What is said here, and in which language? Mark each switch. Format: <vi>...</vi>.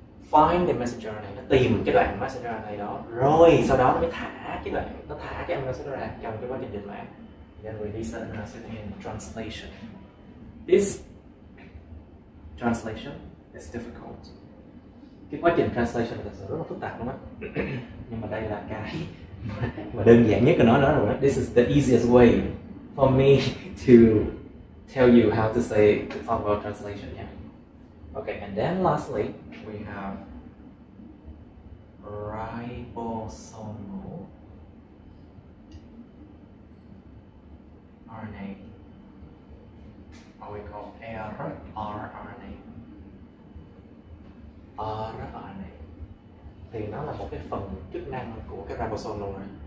<en>Find the messenger RNA.</en> <vi>Nó tìm cái đoạn messenger RNA đó. Rồi sau đó nó mới thả cái amino acid ra trong cái quá trình dịch mã.</vi> <en>Then release the amino acid in translation. This translation is difficult.</en> <vi>Cái quá trình translation thật sự rất là phức tạp luôn á. Nhưng mà đây là cái mà đơn giản nhất của nó đó rồi.</vi> <en>This is the easiest way for me to tell you how to say the talk about translation. Yeah. Okay, and then lastly, we have ribosomal RNA, or we call rRNA. rRNA.</en> <vi>Thì nó là một cái phần chức năng của cái ribosome luôn rồi.</vi>